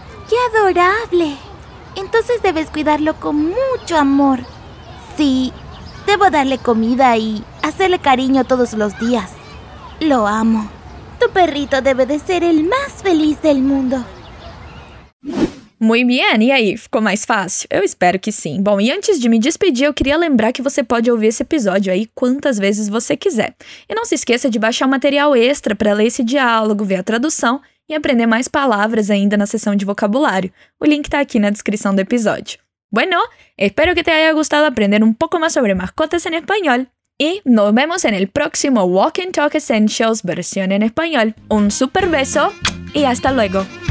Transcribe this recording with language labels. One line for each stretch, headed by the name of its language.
Spanish: ¡Qué adorable! Entonces debes cuidarlo con mucho amor. Sí, debo darle comida y hacerle cariño todos los días. Lo amo. Tu perrito debe de ser el más feliz del mundo.
Portuguese: Muy bien, e aí, ficou mais fácil? Eu espero que sim. Bom, e antes de me despedir, eu queria lembrar que você pode ouvir esse episódio aí quantas vezes você quiser. E não se esqueça de baixar o material extra para ler esse diálogo, ver a tradução e aprender mais palavras ainda na seção de vocabulário. O link está aqui na descrição do episódio.
Spanish: Bueno, espero que te haya gustado aprender un poco más sobre mascotas en español. Y nos vemos en el próximo Walk and Talk Essentials versión en español. Un super beso y hasta luego.